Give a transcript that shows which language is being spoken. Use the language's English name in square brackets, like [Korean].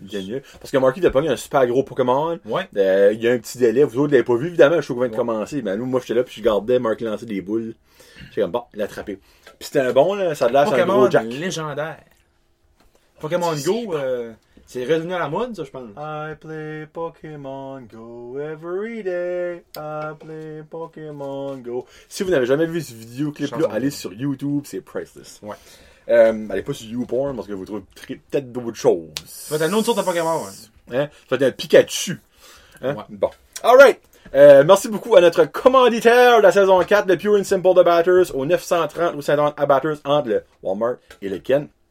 [French] Bien mieux. Parce que Marky, il a pas mis un super gros Pokémon. Ouais. Il y a un petit délai. Vous autres, vous l'avez pas vu, évidemment. Je suis au moment de commencer. Mais nous, moi, j'étais là, puis je gardais Marky lancer des boules. J'étais comme, bon, il l'a attrapé. Puis c'était un bon, là. Ça a l'air, c'est un gros Jack. Pokémon légendaire. Pokémon Go, c'est revenu à la mode, ça, je pense. [English] I play Pokémon Go every day. I play Pokémon Go. [French] Si vous n'avez jamais vu ce vidéo clip là, allez sur YouTube, c'est priceless. Ouais. Allez pas sur YouPorn parce que vous trouvez peut-être d'autres choses. Ça va être une autre sorte de Pokémon, ouais. Hein? Ça va être un Pikachu. Hein? Ouais. Bon. [English] All right. [French] Merci beaucoup à notre commanditaire de la saison 4 de Pure and Simple de Batters au 930 ou 50 à Batters entre le Walmart et le Ken.